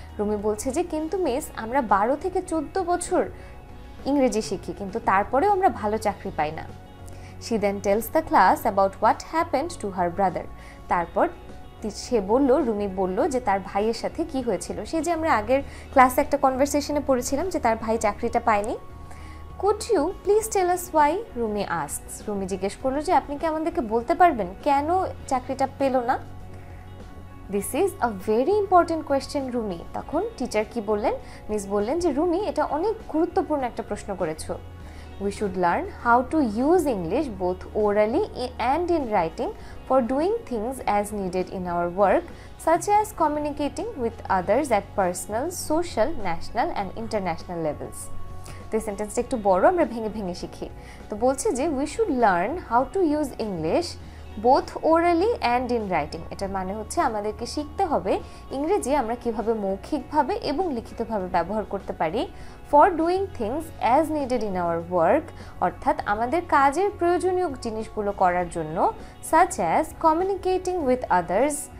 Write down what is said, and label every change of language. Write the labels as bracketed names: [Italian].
[Bangla] রুমি বলছে যে কিন্তু মিস, আমরা 12 থেকে 14 বছর ইংরেজি শিখি কিন্তু তারপরেও আমরা ভালো চাকরি পাই না। [English] She then tells the class about what happened to her brother. [Bangla] তারপর সে বলল, রুমি বলল যে তার ভাইয়ের সাথে কি হয়েছিল। সে যে আমরা আগের ক্লাসে একটা কনভারসেশনে পড়েছিলাম যে তার ভাই চাকরিটা পায়নি। [English] Could you please tell us why? Rumi asks. [Bangla] Rumi জিজ্ঞেস করলো যে আপনি কি আমাদেরকে বলতে পারবেন কেন চাকরিটা পেল না। [English] This is a very important question, Rumi. [Bangla] তখন টিচার কি বললেন, মিস বললেন যে রুমি, এটা অনেক গুরুত্বপূর্ণ একটা প্রশ্ন করেছো। [English] We should learn how to use English both orally and in writing for doing things as needed in our work, such as communicating with others at personal, social, national and international levels. This sentence [Bangla] ekটু বড়, আমরা ভেঙে ভেঙে শিখি। তো বলছে যে [English] we should learn how to use English both orally and in writing. [Bangla] এটার মানে হচ্ছে আমাদেরকে শিখতে হবে ইংরেজি আমরা কীভাবে মৌখিকভাবে এবং লিখিতভাবে ব্যবহার করতে পারি, [English] for doing things as needed in our work, [Bangla] অর্থাৎ আমাদের কাজের প্রয়োজনীয় জিনিসগুলো করার জন্য, [English] such as communicating with others,